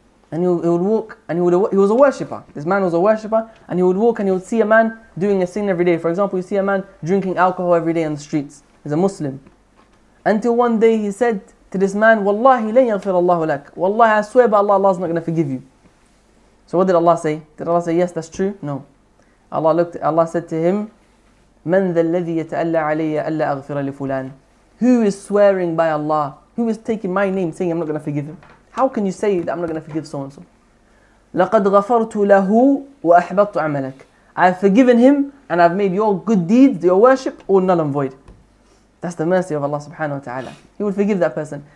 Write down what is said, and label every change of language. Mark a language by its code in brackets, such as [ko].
[en] And he would walk, and he was a worshipper. This man was a worshipper, and he would walk and he would see a man doing a sin every day. For example, you see a man drinking alcohol every day on the streets. He's a Muslim. Until one day he said to this man, Wallahi, [ar] لن يغفر الله لك. [en] Wallahi, I swear by Allah, Allah's not going to forgive you. So what did Allah say? Did Allah say, yes, that's true? No. Allah looked. Allah said to him, [ar] من ذا الذي يتألى علي ألا أغفر لفلان? [en] Who is swearing by Allah? Who is taking my name saying I'm not going to forgive him? How can you say that I'm not going to forgive so-and-so? [ar] لَقَدْ غَفَرْتُ لَهُ وَأَحْبَطُ عَمَلَكَ [en] I've forgiven him and I've made your good deeds, your worship, all null and void. That's the mercy of Allah subhanahu wa ta'ala. He would forgive that person.